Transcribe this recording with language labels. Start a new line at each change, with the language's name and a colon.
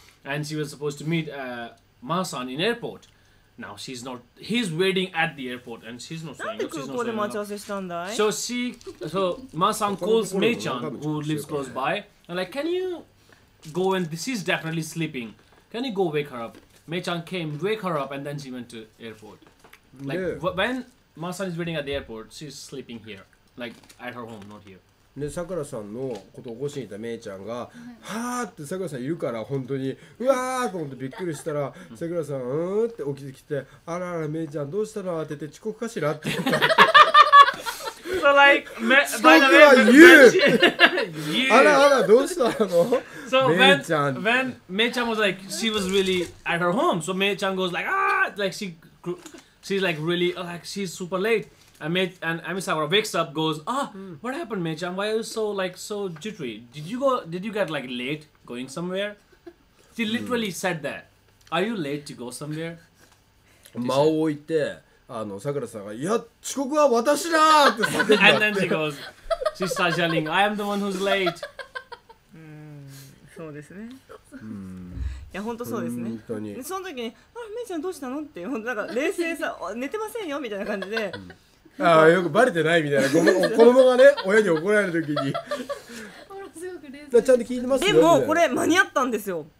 English: And she was supposed to meet Ma-san in airport. Now she's not, he's waiting at the airport and she's not saying, so Ma-san calls Mei-chan who lives close by and like, can you go and, she's definitely sleeping, can you go wake her up? Mei-chan came, wake her up, and then she went to airport. Like, yeah. When Ma-san is waiting at the airport, she's sleeping here, like at her home, not here.
Japanese: で、さくらさんのことを起こしに行っためいちゃんが、はぁーってさくらさん言うから、本当に、うわーと思ってびっくりしたら、さくらさん、うーんって起きてきて、あらあら、めいちゃん、どうしたのって言って、遅刻かしらって言った。
English: So like, me, by the way,
Japanese: あらあら、どうしたの
English: So when めいちゃん was like, she was really at her home. So めいちゃん goes like, ah! Like, she's like really, like, she's super late. And Amisawa wakes up, goes, ah, what happened, Mei-chan? Why are you so, like, so jittery? Did you get, like, late going somewhere? She literally said that. Are you late to go somewhere?
Japanese: 間を置いて、あの、さくらさんが、いや、遅刻は私だーって言ってんだ
English: って。And then she goes, she starts yelling, I am the one who's late.
Japanese: そうですね。いや本当そうですね。本当に。で、その時に、あ、Mei-chanどうしたのって、本当なんか冷静さ、寝てませんよみたいな感じで。ああよくバレてないみたいな子供がね親に怒られるときにちゃんと聞いてますよ。でもこれ間に合ったんですよ。